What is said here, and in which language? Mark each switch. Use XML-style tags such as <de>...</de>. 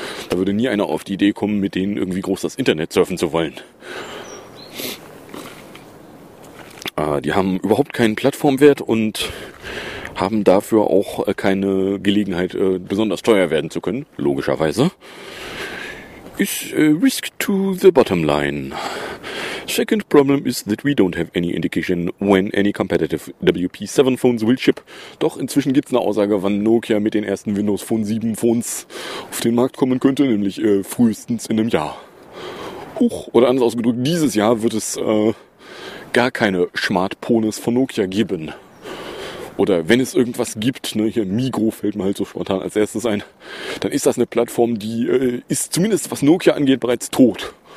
<de>Da würde nie einer auf die Idee kommen, mit denen irgendwie groß das Internet surfen zu wollen. Die haben überhaupt keinen Plattformwert und haben dafür auch keine Gelegenheit, besonders teuer werden zu können, logischerweise.</de> <en>Is risk to the bottom line. Second problem is that we don't have any indication when any competitive WP7 phones will ship.</en> <de>Doch inzwischen gibt's eine Aussage, wann Nokia mit den ersten Windows Phone 7 Phones auf den Markt kommen könnte, nämlich frühestens in einem Jahr. Huch, oder anders ausgedrückt, dieses Jahr wird es gar keine Smartphones von Nokia geben. Oder wenn es irgendwas gibt, ne, hier Migro fällt mir halt so spontan als erstes ein, dann ist das eine Plattform, die ist zumindest, was Nokia angeht, bereits tot.</de>